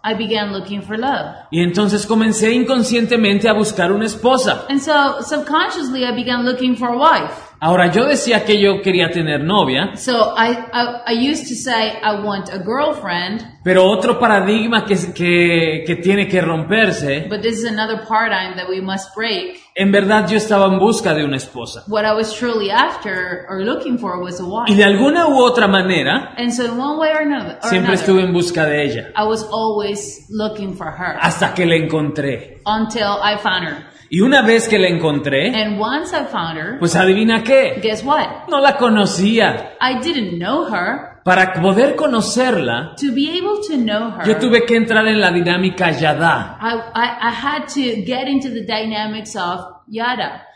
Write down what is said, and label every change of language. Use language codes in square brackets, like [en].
[en] I began looking for love. [es] Y entonces comencé inconscientemente a buscar una esposa. [en] And so subconsciously I began looking for a wife. [es] Ahora, yo decía que yo quería tener novia. [en] So, I used to say, I want a girlfriend. [es] Pero otro paradigma que tiene que romperse. [en] But this is another paradigm that we must break. [es] En verdad, yo estaba en busca de una esposa. [en] What I was truly after or looking for was a wife. [es] Y de alguna u otra manera. [en] And so, in one way or another. [es] Siempre estuve en busca de ella. [en] I was always looking for her. [es] Hasta que la encontré. [en] Until I found her. [es] Y una vez que la encontré, [en] and once I found her, [es] pues adivina qué. [en] Guess what? [es] No la conocía. [en] I didn't know her. [es] Para poder conocerla, [en] to be able to know her, [es] yo tuve que entrar en la dinámica yada. [en] I had to get into the dynamics of yada.